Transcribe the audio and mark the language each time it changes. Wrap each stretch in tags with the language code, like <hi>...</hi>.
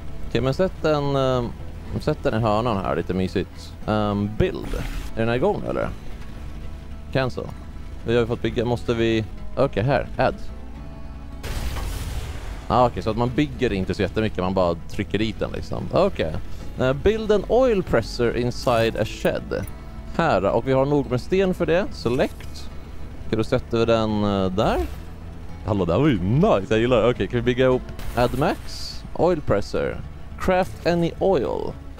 <sv>Okej, men sätt den i hörnan här lite mysigt. Build. Är den här igång, eller? Cancel. Vi har fått bygga. Måste vi... Okej, här. Add. Ah, okej, så att man bygger inte så jättemycket. Man bara trycker dit den liksom. Okej.</sv> <en>Build an oil presser inside a shed.</en> <sv>Här, och vi har nog med sten för det. Select. Kan du sätta den där? Hallå, det var ju nice. Jag gillar det. Okej, kan vi bygga upp AdMax? Oil presser.</sv> <en>Craft any oil.</en>